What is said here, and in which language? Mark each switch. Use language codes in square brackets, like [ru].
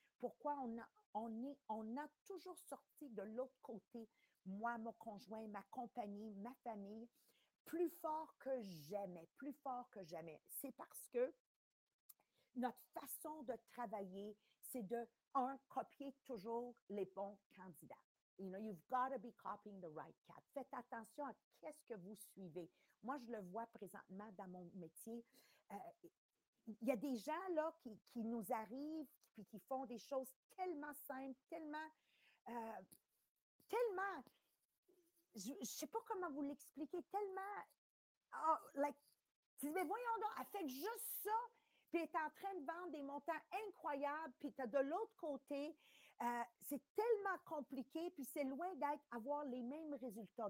[fr] Pourquoi on a toujours sorti de l'autre côté, moi, mon conjoint, ma compagnie, ma famille, plus fort que jamais, plus fort que jamais. C'est parce que notre façon de travailler, c'est de, un, copier toujours les bons candidats. [en] You know, you've got to be copying the right cat. [fr] Faites attention à qu'est-ce que vous suivez. Moi, je le vois présentement dans mon métier. Il y a des gens là qui nous arrivent puis qui font des choses tellement simples, tellement, je sais pas comment vous l'expliquer, tellement, mais voyons donc, elle fait juste ça, puis elle est en train de vendre des montants incroyables, puis tu as de l'autre côté, c'est tellement compliqué, puis c'est loin d'être avoir les mêmes résultats.